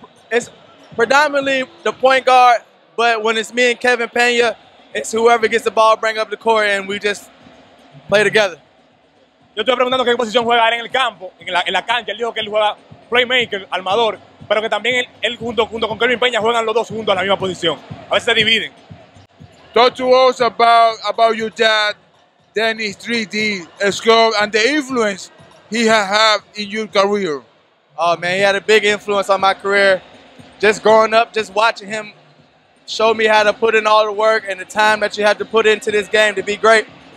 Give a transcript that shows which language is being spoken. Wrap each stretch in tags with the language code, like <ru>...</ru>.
<en>It's predominantly the point guard, but when it's me and Kevin Pena, it's whoever gets the ball, bring up the court, and we just play together.</en> <es>Yo estoy preguntando qué posición juega él en el campo, en la cancha. Él dijo que él juega playmaker, armador, pero que también él junto con Kevin Pena juegan los dos juntos a la misma posición. A veces se dividen.</es> <en>Talk to us about your dad, Dennis 3D, Scott, and the influence he has had in your career. Oh man, he had a big influence on my career. Just growing up, just watching him show me how to put in all the work and the time that you have to put into this game to be great.</en>